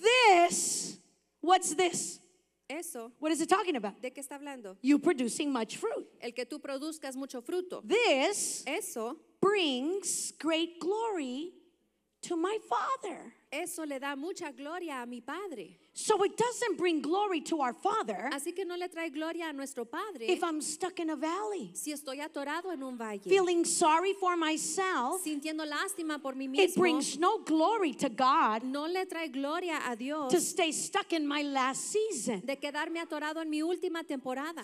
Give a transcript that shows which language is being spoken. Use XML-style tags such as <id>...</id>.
<en>This, what's this?</en> <es>Eso.</es> <en>What is it talking about?</en> <es>¿De qué está hablando?</es> <en>You producing much fruit.</en> <es>El que tú produzcas mucho fruto.</es> <en>This,</en> <es>eso,</es> <en>brings great glory to my Father.</en> <es>Eso le da mucha gloria a mi padre.</es> <en>So it doesn't bring glory to our Father.</en> <es>Así que no le trae gloria a nuestro padre.</es> <en>If I'm stuck in a valley,</en> <es>si estoy atorado en un valle,</es> <en>feeling sorry for myself,</en> <es>sintiendo lástima por mí mismo,</es> <en>it brings no glory to God.</en> <es>No le trae gloria a Dios.</es> <en>To stay stuck in my last season,</en> <es>de quedarme atorado en mi última temporada,</es>